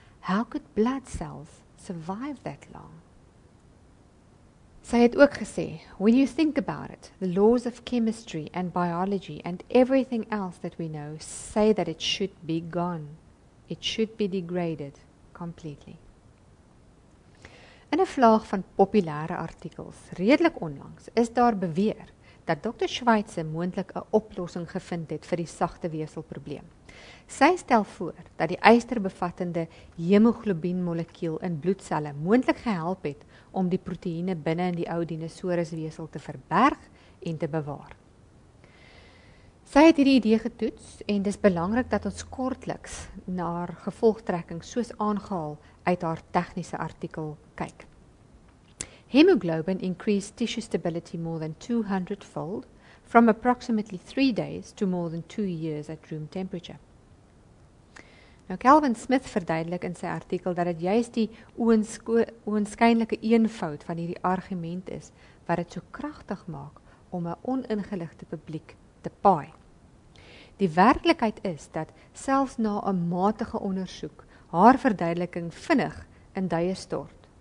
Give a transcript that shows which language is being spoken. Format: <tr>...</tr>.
<en>How could blood cells survive that long?</en> <af>Sy het ook gesê,</af> <en>when you think about it, the laws of chemistry and biology and everything else that we know say that it should be gone. It should be degraded completely.</en> <af>In 'n vlaag van populêre artikels, redelik onlangs, is daar beweer dat Dr. Schweitzer moontlik 'n oplossing gevind het vir die sagte weefselprobleem. Sy stel voor dat die ysterbevattende hemoglobienmolekuul in bloedselle moontlik gehelp het om die proteïene binne in die ou dinosourusweefsel te verberg en te bewaar. Sy het hierdie idee getoets en dis belangrik dat ons kortliks na haar gevolgtrekking soos aangehaal uit haar tegniese artikel kyk.</af> <en>Hemoglobin increased tissue stability more than 200-fold from approximately 3 days to more than 2 years at room temperature.</en> <af>Nou Calvin Smith verduidelik in sy artikel dat dit juist die oënskynlike eenvoud van hierdie argument is wat dit so kragtig maak om 'n oningeligte publiek te paai. Die werklikheid is dat selfs na 'n matige ondersoek haar verduideliking vinnig in duie stort.</af>